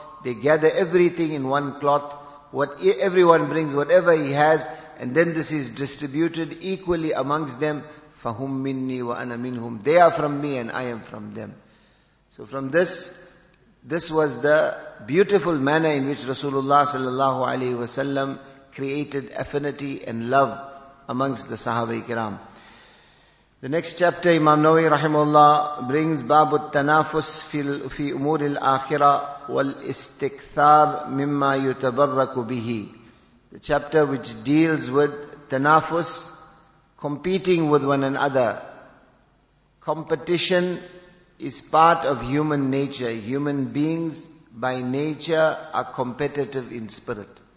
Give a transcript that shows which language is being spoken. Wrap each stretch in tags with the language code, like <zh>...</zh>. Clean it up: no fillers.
<en>They gather everything in one cloth. What everyone brings, whatever he has, and then this is distributed equally amongst them.</en> <ar>فَهُمْ مِنِّي وَأَنَا مِنْهُمْ.</ar> <en>They are from me and I am from them. So from this, this was the beautiful manner in which Rasulullah sallallahu alaihi wasallam created affinity and love amongst the Sahaba ikram. The next chapter, Imam Nawawi rahimahullah brings</en> <ar>باب التنافس في أمور الآخرة والاستكثار مما يتبرك به.</ar> <en>The chapter which deals with tanafus, competing with one another. Competition is part of human nature. Human beings by nature are competitive in spirit.</en>